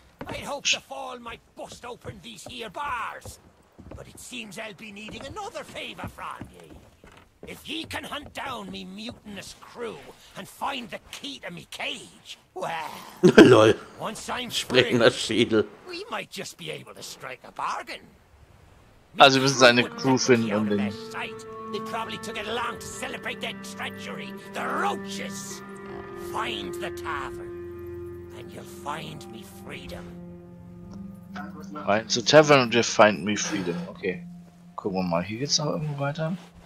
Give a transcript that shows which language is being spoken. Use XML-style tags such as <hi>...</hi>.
<en>I hope the fall might bust open these here bars. But it seems I'll be needing another favor from ye. If ye can hunt down me mutinous crew and find the key to me cage, well, once I'm free, we might just be able to strike a bargain.</en> <de>Also, wir müssen seine Crew finden und den.</de> <en>They probably took it long to celebrate their treachery. The roaches! Find the tavern. And you'll find me freedom. Find the tavern and you'll find me freedom. Okay.</en> <de>Gucken wir mal, hier geht's noch irgendwo weiter.</de>